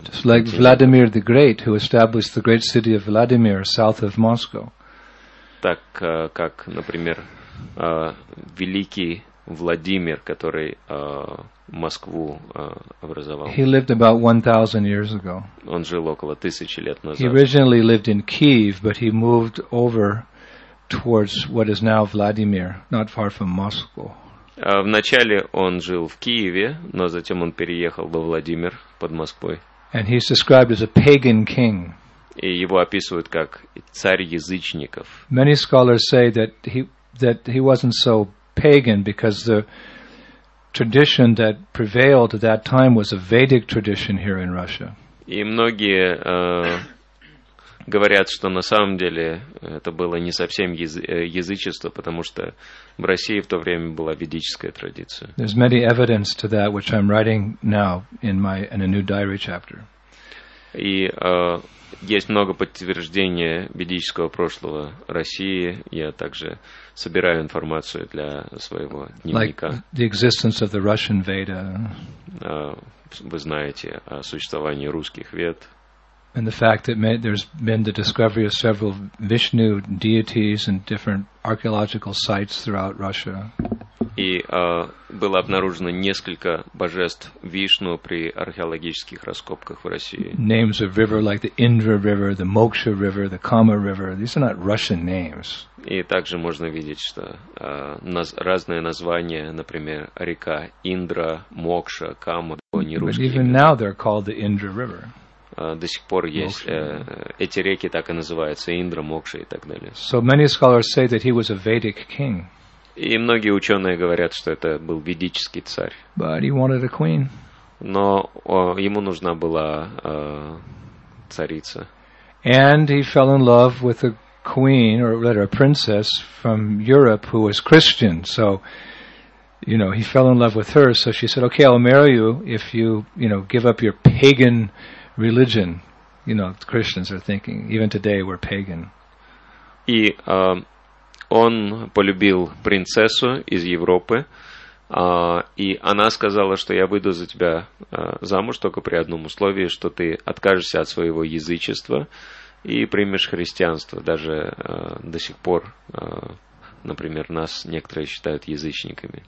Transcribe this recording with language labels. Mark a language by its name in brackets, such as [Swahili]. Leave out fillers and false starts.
[English] Just like Vladimir the Great, who established the great city of Vladimir south of Moscow. [Russian] Так как, например, великий Владимир, который Москву образовал. [English] He lived about 1,000 years ago. [Russian] Он жил около 1000 лет назад. [English] He originally lived in Kiev, but he moved over towards what is now Vladimir, not far from Moscow. [Russian] Вначале он жил в Киеве, но затем он переехал во Владимир под Москвой. [English] And he's described as a pagan king. [Russian] И его описывают как царь язычников. [English] Many scholars say that he wasn't so pagan because the tradition that prevailed at that time was a Vedic tradition here in Russia. [Russian] И многие говорят, что на самом деле это было не совсем язычество, потому что в России в то время была ведическая традиция. [English] There's many evidence to that, which I'm writing now in a new diary chapter. [Russian] И есть много подтверждений ведического прошлого России. Я также собираю информацию для своего дневника. [English] Like the existence of the Russian Veda. [Russian] Вы знаете о существовании русских вед. [English] And the fact that there's been the discovery of several Vishnu deities in different archaeological sites throughout Russia. [Russian] И было обнаружено несколько божеств Вишну при археологических раскопках в России. [English] Names of river like the Indra River, the Moksha River, the Kama River. These are not Russian names. [Russian] И также можно видеть, что разные названия, например, река Индра, Мокша, Кама, не русские. [English] But even now they're called the Indra River. [Russian] До сих пор есть эти реки, так и называются, Индра, Мокша и так далее. [English] So many scholars say that he was a Vedic king. [Russian] И многие ученые говорят, что это был ведический царь. [English] But he wanted a queen. [Russian] Но ему нужна была царица. [English] And he fell in love with a queen, or rather a princess from Europe who was Christian. So, you know, he fell in love with her. So she said, okay, I'll marry you if you, you know, give up your pagan religion. You know, Christians are thinking, even today we're pagan. [Russian] И он полюбил принцессу из Европы, и она сказала, что я выйду за тебя замуж только при одном условии, что ты откажешься от своего язычества и примешь христианство. Даже до сих пор, например, нас некоторые считают язычниками.